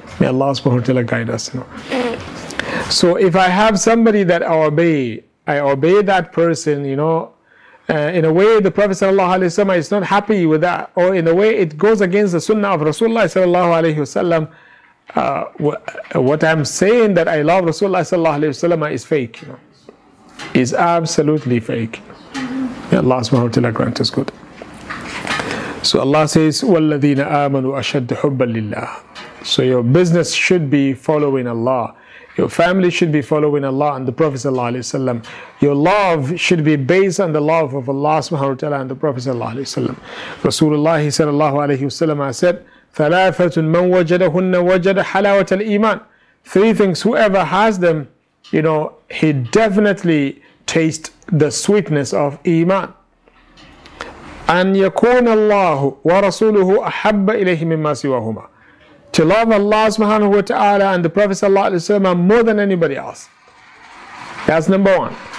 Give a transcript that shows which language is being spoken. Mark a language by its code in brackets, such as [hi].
[en] May Allah subhanahu wa ta'ala guide us, you know. So if I have somebody that I obey that person, you know, in a way the Prophet sallallahu alaihi wasallam is not happy with that, or in a way it goes against the sunnah of Rasulullah sallallahu alaihi wasallam, what I'm saying that I love Rasulullah sallallahu alaihi wasallam is fake, you know, is absolutely fake. May Allah subhanahu wa ta'ala grant us good. So Allah says, [ar] وَالَّذِينَ آمَنُوا أَشَدُّ حُبَّا لِلَّهِ. [en] So your business should be following Allah. Your family should be following Allah and the Prophet sallallahu alaihi wasallam. Your love should be based on the love of Allah subhanahu wa ta'ala and the Prophet sallallahu alaihi wasallam. Rasulullah sallallahu alaihi wasallam said, [ar] ثَلَاثَةٌ مَنْ وَجَدَهُنَّ وَجَدَ حَلَاوَةَ الْإِيمَانِ. [en] Three things, whoever has them, you know, he definitely tastes the sweetness of Iman. [ar] أَنْ يَكُونَ اللَّهُ وَرَسُولُهُ أَحَبَّ إِلَيْهِ مِمَّا سِوَهُمَا. [en] To love Allah subhanahu wa ta'ala and the Prophet sallallahu alaihi wasallam more than anybody else. That's number one.